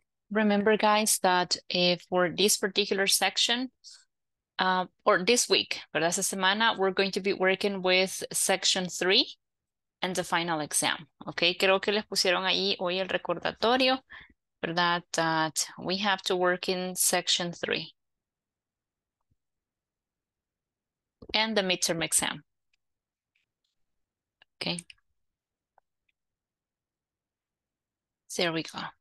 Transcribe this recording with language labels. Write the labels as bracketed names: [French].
[English] Remember, guys, that if for this particular section, or this week, but as a semana, we're going to be working with section 3 and the final exam. [Spanish] Okay, creo que les pusieron ahí hoy el recordatorio, ¿verdad? [English] That we have to work in section 3 and the midterm exam. Okay. There we go.